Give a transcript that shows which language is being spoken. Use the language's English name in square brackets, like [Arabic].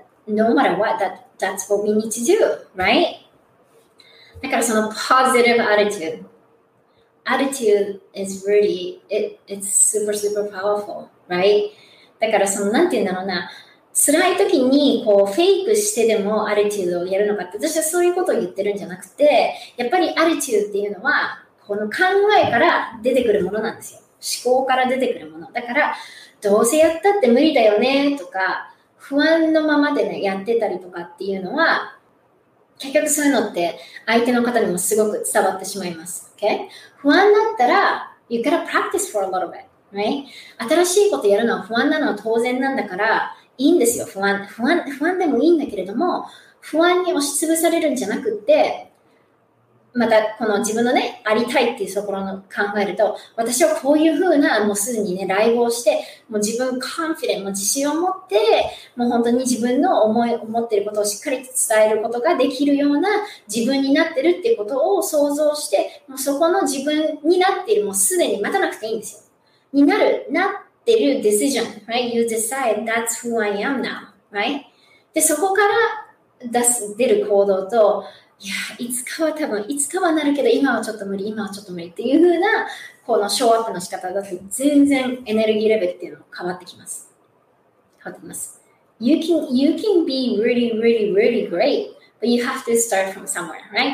[English] No matter what, that's what we need to do, right? [Japanese] だからその [English] positive attitude. Attitude is really, it's super, super powerful, right? [Japanese] だからその、なんて言うんだろうな、辛い時にこうフェイクしてでもアリチュードをやるのかって、私はそういうことを言ってるんじゃなくて、やっぱりアリチュードっていうのは、この考えから出てくるものなんですよ。思考から出てくるもの。だから、どうせやったって無理だよねとか、不安のままでね、やってたりとかっていうのは、結局そういうのって相手の方にもすごく伝わってしまいます。 [English] Okay? [Japanese] 不安だったら、 [English] you gotta practice for a little bit, right? [Japanese] 新しいことやるのは不安なのは当然なんだから、いいんですよ、不安でもいいんだけれども、不安に押しつぶされるんじゃなくって、またこの自分のね、ありたいっていうところの考えると、私はこういうふうな、もうすでにね、ライブをして、もう自分コンフィデント、もう自信を持って、もう本当に自分の思っていることをしっかりと伝えることができるような自分になってるっていうことを想像して、もうそこの自分になっている、もうすでに待たなくていいんですよ。なってるディシジョン、right? [English] You decide, that's who I am now, right? [Japanese] で、そこから出る行動と、いや、いつかはなるけど、今はちょっと無理っていう風な、このショーアップの仕方だと、全然エネルギーレベルっていうのが変わってきます。 [English] You can be really, really, really great, but you have to start from somewhere, right?